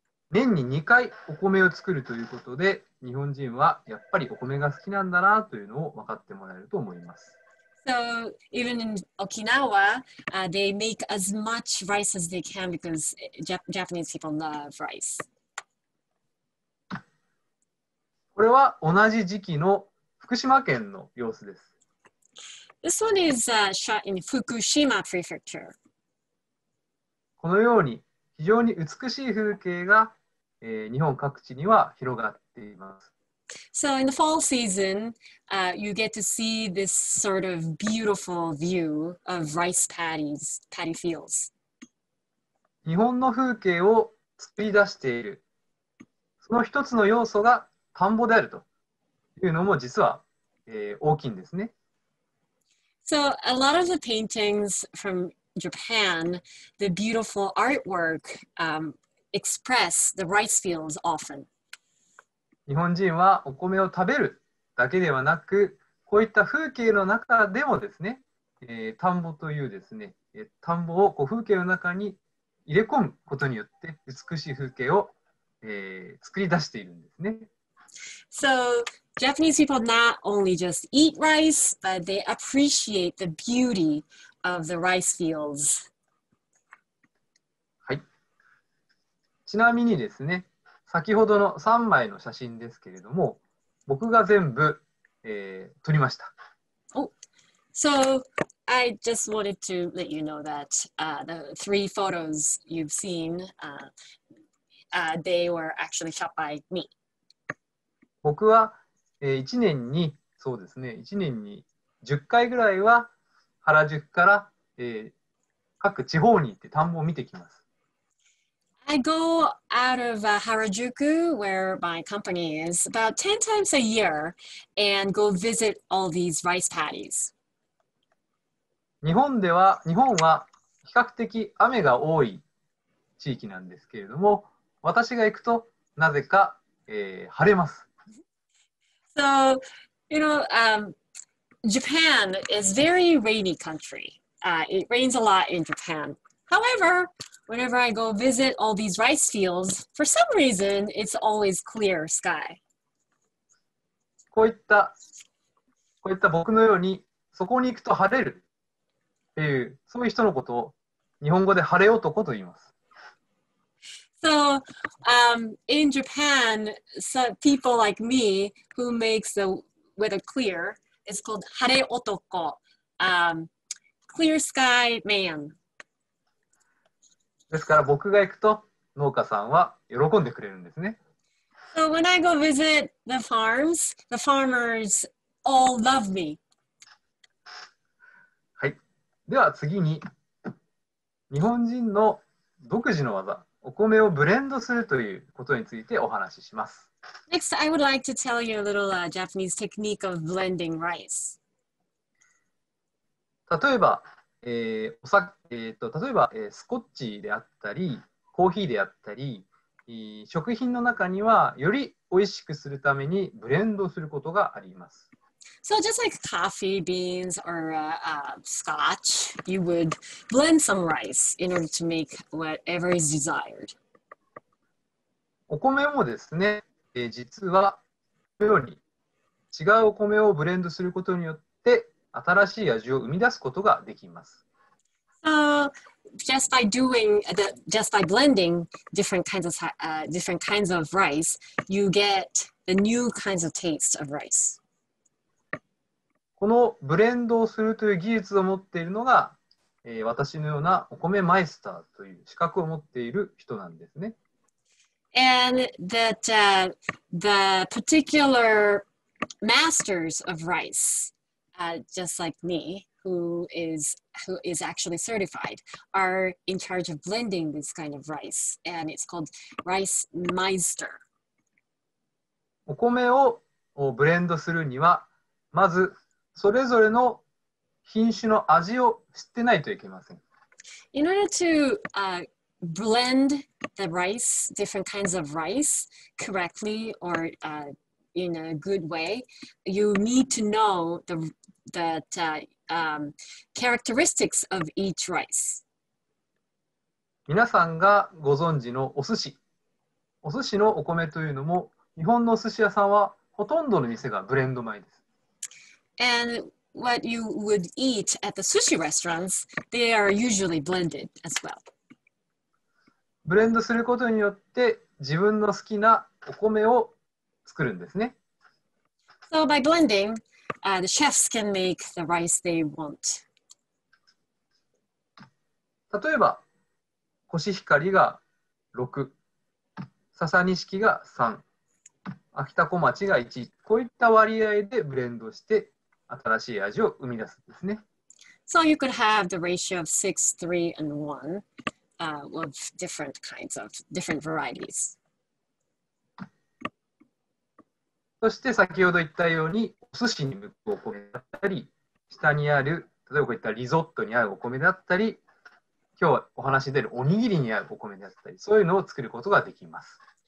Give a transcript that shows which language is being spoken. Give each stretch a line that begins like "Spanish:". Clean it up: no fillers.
Japanese: 年に2回お米を作るということで、日本人はやっぱりお米が好きなんだなというのを分かってもらえると思います。
English: So, even in Okinawa, they make as much rice as they can because Japanese people love rice.
Japanese: これは同じ時期の福島県の様子です。
English: This one is shot in Fukushima Prefecture.
Japanese: このように非常に美しい風景が、日本各地には広がっています。
English: So in the fall season, you get to see this sort of beautiful view of rice paddies, paddy fields.
Japanese: 日本の風景を作り出している。その一つの要素が田んぼであるというのも実は、大きいんですね。
English: So a lot of the paintings from Japan, the beautiful artwork, express the rice fields often.
Japanese: 日本人はお米を食べるだけではなく、こういった風景の中でもですね、田んぼというですね、田んぼをこう風景の中に入れ込むことによって美しい風景を、作り出しているんですね。
English: So, Japanese people not only just eat rice, but they appreciate the beauty of the rice fields.
Japanese: はい。ちなみにですね、先ほどの3枚の写真ですけれども、僕が全部、撮りました。
English: So, I just wanted to let you know that the three photos you've seen, they were actually shot by me.
Japanese: 僕は、1年に、そうですね、1年に10回ぐらいは原宿から、各地方に行って田んぼを見てきます。
English: I go out of Harajuku, where my company is, about 10 times a year, and go visit all these rice paddies.
Japanese: 日本は比較的雨が多い地域なんですけれども、私が行くとなぜか、晴れます。
English: So, you know, Japan is very rainy country. It rains a lot in Japan. However,Whenever I go visit all these rice fields, for some reason, it's always clear sky.
Japanese: こういった僕のように、そこに行くと晴れるっていう、そういう人のことを日本語で晴れ男と言います。
English: So, in Japan, some people like me, who makes the weather clear, is called 晴れ男, clear sky man.
Japanese: ですから僕が行くと農家さんは喜んでくれるんですね。
English: So when I go visit the farms, the farmers all love me.
Japanese: はい。では次に、日本人の独自の技、お米をブレンドするということについてお話しします。
English: Next, I would like to tell you a little Japanese technique of blending rice.
Japanese: 例えば、例えばスコッチであったりコーヒーであったり、食品の中にはより美味しくするためにブレンドすることがあります。
English: So just like coffee beans or scotch, you would blend some rice in order to make whatever is desired.
Japanese: お米もですね、実はこのように違うお米をブレンドすることによって新しい味を生み出すことができます。
English: So, just by doing the, just by blending different kinds of, different kinds of rice, you get the new kinds of taste of rice.
Japanese: このブレンドをするという技術を持っているのが、私のようなお米マイスターという資格を持っている人なんですね。
English: And that, the particular masters of rice,just like me, who is actually certified, are in charge of blending this kind of rice, and it's called Rice Meister.
Japanese: お米をブレンドするには、まずそれぞれの品種の味を知ってないといけません。
English: In order to, blend the rice, different kinds of rice, correctly or, in a good way, you need to know theThat, characteristics of each rice.
Japanese: 皆さんがご存知のお寿司、お寿司のお米というのも日本のお寿司屋さんはほとんどの店がブレンド米です。
English: And what you would eat at the sushi restaurants, they are usually blended as well.
Japanese: ブレンドすることによって自分の好きなお米を作るんですね。
English: So by blending,the chefs can make the rice they want.
Japanese: 例えば、コシヒカリが 6、笹錦が3、秋田小町が1、こういった割合でブレンドして新しい味を生み出すんですね。
English: So you could have the ratio of 6, 3 and 1、of different kinds of different varieties.
Japanese: そして先ほど言ったようにお寿司に向くお米だったり、下にある例えばこういったリゾットに合うお米だったり、今日お話しているおにぎりに合うお米だったり、そういうのを作ることができます。